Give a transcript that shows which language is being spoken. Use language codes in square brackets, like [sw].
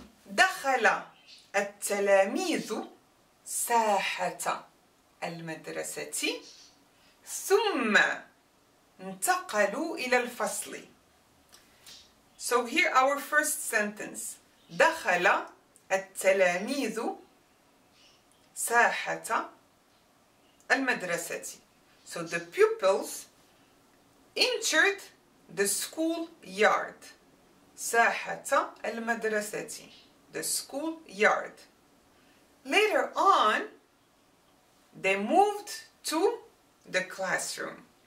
[ar] دخل التلاميذ ساحة المدرسة ثم انتقلوا إلى الفصل. [en] So here our first sentence. [ar] دخل التلاميذ ساحة المدرسة. [en] So the pupils entered the school yard. [ar] ساحة المدرسة. [en] The school yard. Later on, they moved to the classroom.